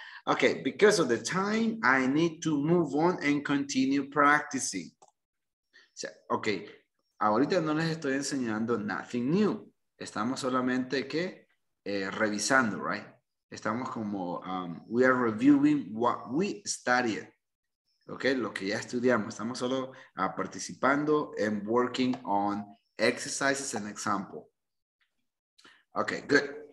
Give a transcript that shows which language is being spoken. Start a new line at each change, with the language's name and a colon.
English: Okay, because of the time, I need to move on and continue practicing.
Spanish: So, okay, ahorita no les estoy enseñando
English: nothing new.
Spanish: Estamos solamente que revisando,
English: right?
Spanish: Estamos como,
English: we are reviewing what we studied. Okay,
Spanish: lo que ya estudiamos, estamos solo participando
English: and working on exercises and example. Okay, good.